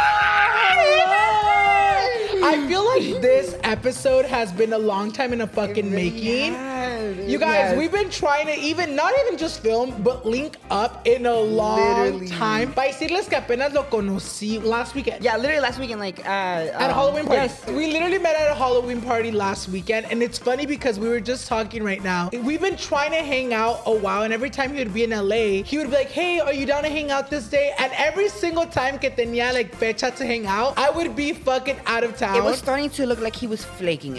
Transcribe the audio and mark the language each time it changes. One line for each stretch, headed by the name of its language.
English: I feel like this episode has been a long time in a fucking making. You guys, we've been trying to even, not even just film, but link up in a long time.
Spanish: Para decirles que apenas lo conocí
English: last weekend. Yeah, literally last weekend, like, at a Halloween party. Yes. We literally met at a Halloween party last weekend. And it's funny because we were just talking right now. We've been trying to hang out a while. And every time he would be in LA, he would be like, hey, are you down to hang out this day? And every single time
Spanish: que tenía,
English: like, fecha to hang out, I would be fucking out of town. It was starting to look like he was flaking.